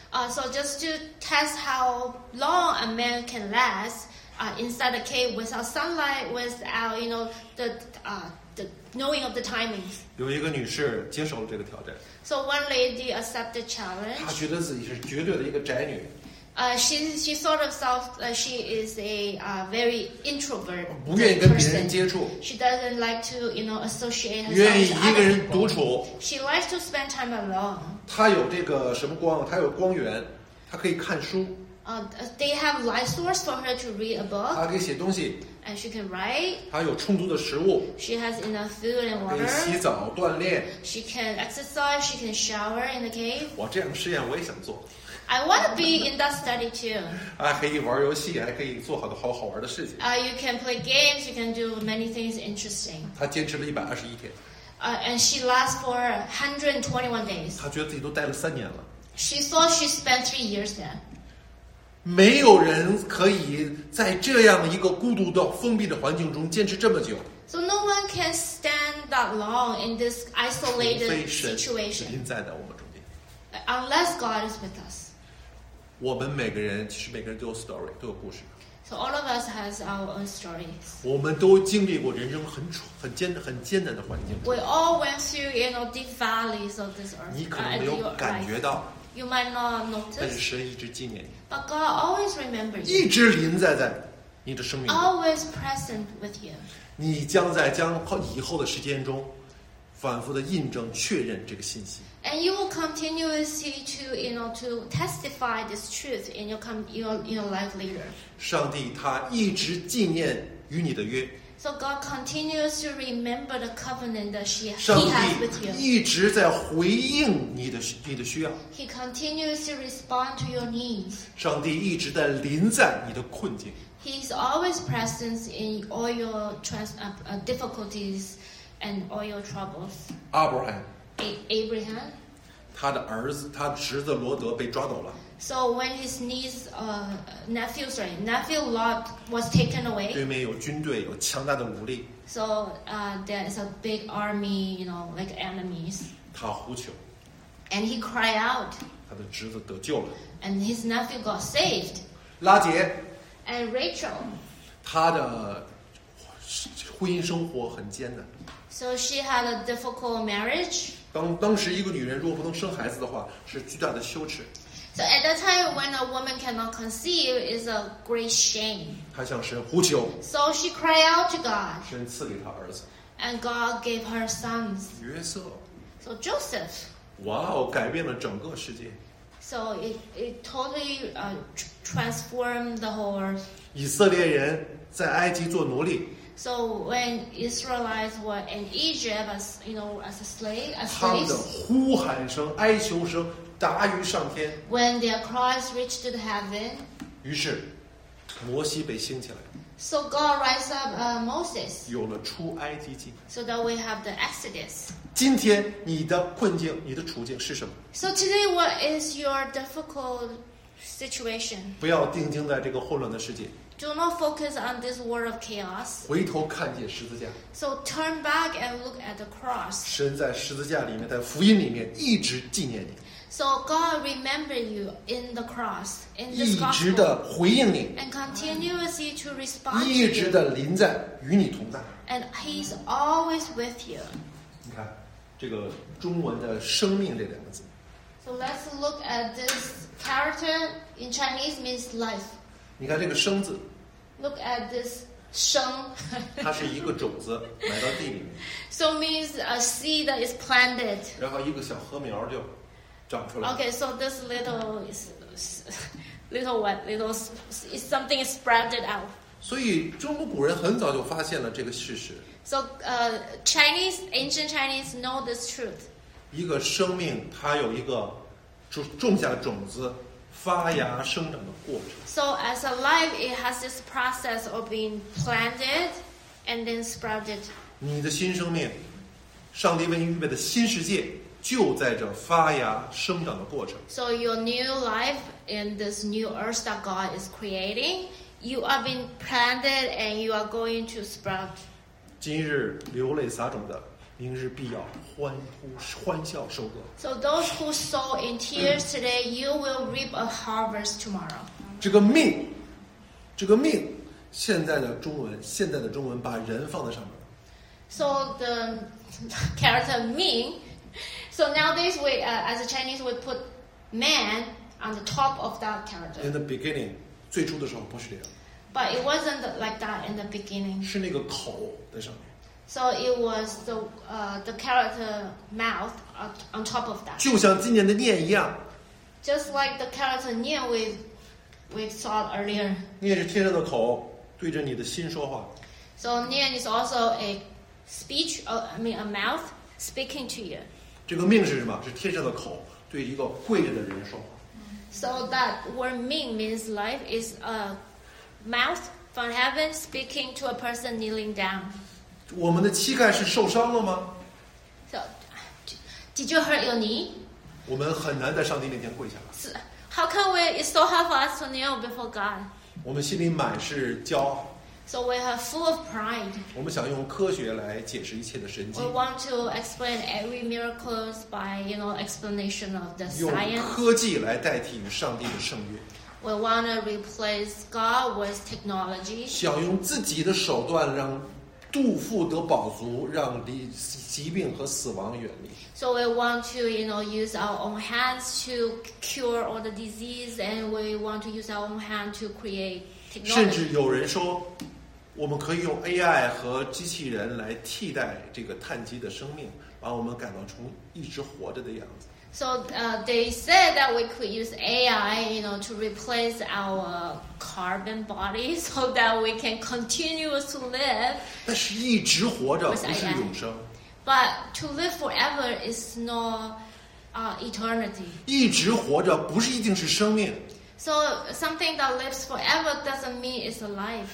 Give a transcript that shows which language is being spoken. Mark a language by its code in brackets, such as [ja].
[en] So just to test how long a man can last inside a cave without sunlight, without the knowing of the timings. [zh] 有一个女士接受了这个挑战。 [en] So one lady accepted the challenge. [zh] 她觉得自己是绝对的一个宅女。 [en] She thought of herself that she is a very introvert person. [zh] 不愿意跟别人接触。 [en] She doesn't like to, associate herself. [zh] 愿意一个人独处。 [en] She likes to spend time alone. [zh] 她有这个什么光？她有光源，她可以看书。 [en] They have light source for her to read a book. [zh] 她可以写东西。 [en] And she can write. [zh] 她有充足的食物。 [en] She has enough food and water. [zh] 可以洗澡锻炼。 [en] She can exercise. She can shower in the cave. [zh] 哇，这样的试验我也想做。 [en] I want to be in that study too. [zh] 还可以玩游戏，还可以做好的好玩的事情。 [en] You can play games. You can do many things interesting. [zh] 她坚持了121天。 [en] And she lasts for 121 days. [zh] 她觉得自己都待了3年了。 [en] She thought she spent 3 years there. [zh] 没有人可以在这样一个孤独的封闭的环境中坚持这么久。 [en] So no one can stand that long in this isolated situation. [zh] 除非神在我们中间。 [en] Unless God is with us. [zh] 我们每个人其实每个人都有 story， 都有故事。 [en] So all of us has our own stories. [zh] 我们都经历过人生很艰难的环境。 [en] We all went through deep valleys of this earth. [zh] 你可能没有感觉到。 [en] You might not notice. [zh] 但是神一直纪念你。 [en] But God always remembers you. [zh] 一直临在你的生命。 [en] Always present with you. [zh] 你将在以后的时间中，反复的印证确认这个信息。 [en] And you will continuously to testify this truth in your life later. [zh] 上帝他一直纪念与你的约。 [en] So God continues to remember the covenant that he has with you. [zh] 上帝一直在回应你的需要。 [en] He continues to respond to your needs. [zh] 上帝一直在临在你的困境。 [en] He is always present in all your difficulties and all your troubles. Abraham. Abraham, [zh] 他的儿子，他侄子罗德被抓走了。 [en] So when his niece, nephew Lot was taken away. [zh] 对面有军队，有强大的武力。 [en] So there is a big army, enemies. [zh] 他呼求。 [en] And he cried out. [zh] 他的侄子得救了。 [en] And his nephew got saved. [zh] 拉结。 [en] And Rachel. [zh] 他的婚姻生活很艰难。 [en] So she had a difficult marriage. [zh] 当时一个女人如果不能生孩子的话，是巨大的羞耻。 [en] So at that time, when a woman cannot conceive, is a great shame. [zh] 她向神呼求。 [en] So she cried out to God. [zh] 神赐给她儿子。 [en] And God gave her sons. [zh] 约瑟。 [en] So Joseph. [zh] Wow, 改变了整个世界。 [en] So it totally transformed the whole earth. [zh] 以色列人在埃及做奴隶。 [en] So when Israelites were in Egypt, as you know, as a slave, as slaves. [zh] 他们的呼喊声、哀求声。达于上天。 [en] When their cries reached to the heaven. [zh] 于是，摩西被兴起来。 [en] So God raised up Moses. [zh] 有了出埃及记。 [en] So that we have the Exodus. [zh] 今天你的困境、你的处境是什么 [en] ？So today, what is your difficult situation? [zh] 不要定睛在这个混乱的世界。 [en] Do not focus on this world of chaos. [zh] 回头看见十字架。 [en] So turn back and look at the cross. [zh] 神在十字架里面，在福音里面一直纪念你。 [en] So God remember you in the cross, in this gospel, [zh] 一直的回应你 [en] and continuously to respond to [zh] you. 一直的临在，与你同在 [en] and He's always with you. [zh] 你看，这个中文的生命这两个字。 [en] So let's look at this character in Chinese means life. [zh] 你看这个生字。 [en] Look at this 生。 [zh] 它是一个种子埋到地里面。 [en] So means a seed that is planted. [zh] 然后一个小禾苗就。 [en] Okay, so this little one, is something sprouted out. [zh] 所以中国古人很早就发现了这个事实。 [en] So, ancient Chinese know this truth. [zh] 一个生命，它有一个种下种子、发芽、生长的过程。 [en] So, as a life, it has this process of being planted and then sprouted. [zh] 你的新生命，上帝为你预备的新世界。就在这发芽生长的过程。 [en] So your new life in this new earth that God is creating, you are being planted and you are going to sprout. [zh] 今日流泪撒种的，明日必要欢笑收割。 [en] So those who sow in tears today, you will reap a harvest tomorrow. [zh] 这个命，现在的中文把人放在上面。 [en] So the character 命。 So nowadays, as a Chinese, we put man on the top of that character. In the beginning, [zh] 最初的时候不是这样。 [en] But it wasn't like that in the beginning. [zh] 是那个口在上面。 [en] So it was the character mouth on top of that. [zh] 就像今年的念一样。 [en] Just like the character 念 we saw earlier. [zh] 念是天上的口，对着你的心说话。 [en] So 念 is also a speech, a mouth speaking to you. [zh] 这个命是什么？是天上的口，对一个跪着的人说话。 [en] So that word "命" means life is a mouth from heaven speaking to a person kneeling down. [zh] 我们的膝盖是受伤了吗 [en] ？So, did you hurt your knee? [zh] 我们很难在上帝面前跪下。 [en] So, how can we? It's so hard for us to kneel before God. [zh] 我们心里满是骄傲。 [en] So we are full of pride. [zh] 我们想用科学来解释一切的神迹。 [en] We want to explain every miracles by, you know, explanation of the science. [zh] 用科技来代替与上帝的圣约。 [en] We want to replace God with technology. [zh] 想用自己的手段让杜甫得饱足，让疾病和死亡远离。 [en] So we want to, you know, use our own hands to cure all the disease, and we want to use our own hand to create. [zh] 甚至有人说我们可以用 AI 和机器人来替代这个碳基的生命，把我们改造成一直活着的样子。 [en] So they said that we could use AI, you know, to replace our carbon body so that we can continue to live. [zh] 但是一直活着不是永生。 [en] But to live forever is not eternity. [zh] 一直活着不是一定是生命。 [en] So something that lives forever doesn't mean it's alive.